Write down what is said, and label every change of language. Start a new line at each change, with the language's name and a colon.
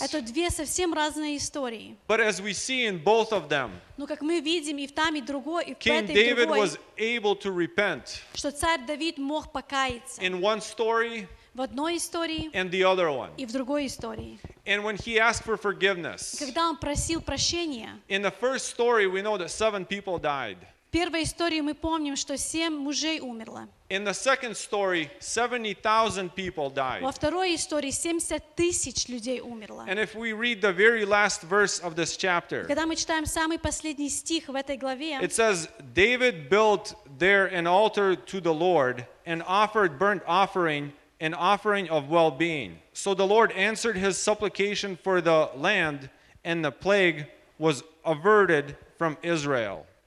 Russian: Это две совсем разные истории.
English: But as we see in both of them,
Russian: но как мы видим и в там, и другой, и в
English: King
Russian: этой,
English: David
Russian: другой,
English: was able to repent,
Russian: что царь Давид мог покаяться.
English: In one story,
Russian: в одной истории,
English: and the other one.
Russian: И в другой истории.
English: And when he asked for forgiveness,
Russian: когда он просил прощения,
English: in the first story we know that 7 people died.
Russian: В первой истории мы помним, что 7 мужей умерло.
English: In the second story, 70,000 people died.
Russian: Во второй истории 70 тысяч людей умерло.
English: And if we read the very last verse of this chapter,
Russian: когда мы читаем самый последний стих в этой главе,
English: it says, David built there an altar to the Lord and offered burnt offering, an offering of well-being. So the Lord answered his supplication for the land, and the plague was averted from Israel.